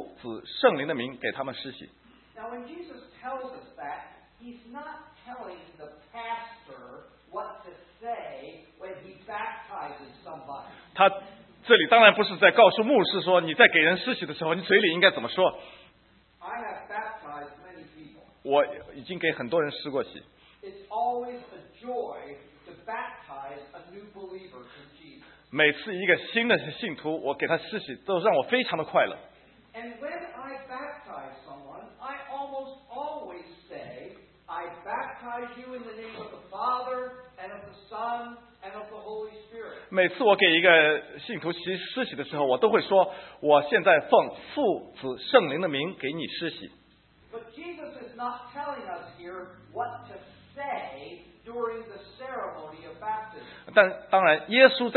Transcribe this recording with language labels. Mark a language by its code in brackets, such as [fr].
[zh] 当他说施洗的时候，是说奉父、子、圣灵的名给他们施洗。 [en] Now when Jesus tells us that, he's not telling the pastor what to say when he baptizes somebody. [zh] 他这里当然不是在告诉牧师说，你在给人施洗的时候，你嘴里应该怎么说。 [en] I have baptized many people. [zh] 我已经给很多人施过洗。 [en] It's always a joy to baptize a new believer in Jesus. [zh] 每次一个新的信徒，我给他施洗，都让我非常的快乐。 [en] And when I baptize someone, I almost always say, I baptize you in the name of the Father and of the Son and of the Holy Spirit. [zh] 每次我给一个信徒施洗的时候，我都会说，我现在奉父、子、圣灵的名给你施洗。 [en] But Jesus is not telling us here what to during the ceremony of baptism.